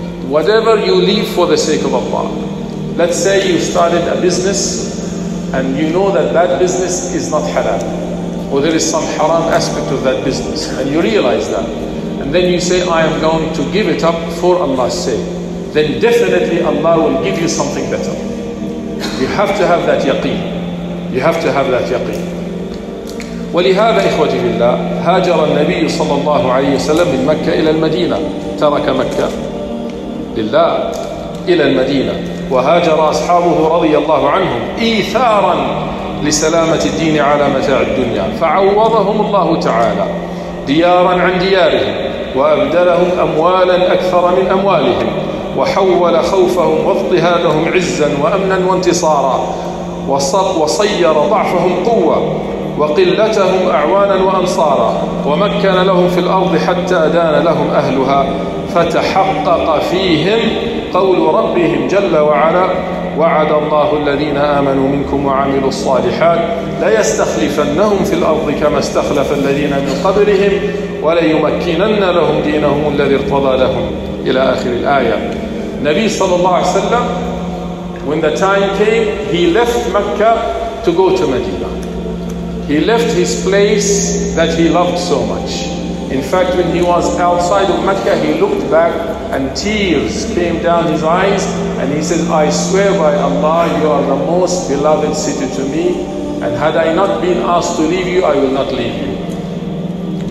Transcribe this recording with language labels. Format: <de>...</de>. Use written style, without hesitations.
<en>Whatever you leave for the sake of Allah. Let's say you started a business and you know that that business is not halal, or there is some haram aspect of that business, and you realize that, and then you say, I am going to give it up for Allah's sake, then definitely Allah will give you something better. You have to have that yaqeen. You have to have that yaqeen.</en> <ar>ولهذا إخوتي في الله هاجر النبي صلى الله عليه وسلم من مكة إلى المدينة ترك مكة لله إلى المدينة وهاجر أصحابه رضي الله عنهم إيثارا لسلامة الدين على متاع الدنيا فعوضهم الله تعالى ديارا عن ديارهم وأبدلهم أموالا أكثر من أموالهم وحول خوفهم واضطهادهم عزا وأمنا وانتصارا وصير ضعفهم قوة وقلتهم أعوانا وأنصارا ومكن لهم في الأرض حتى دان لهم أهلها فتحقق فيهم قول ربهم جل وعلا وعد الله الذين آمنوا منكم وعملوا الصالحات ليستخلفنهم في الأرض كما استخلف الذين من قبلهم وليمكنن لهم دينهم الذي ارتضى لهم إلى آخر الآية.</ar> <en>نبي صلى الله عليه وسلم, when the time came, he left Mecca to go to Medina. He left his place that he loved so much. In fact, when he was outside of Mecca, he looked back and tears came down his eyes, and he says, I swear by Allah, you are the most beloved city to me, and had I not been asked to leave you, I will not leave you.</en>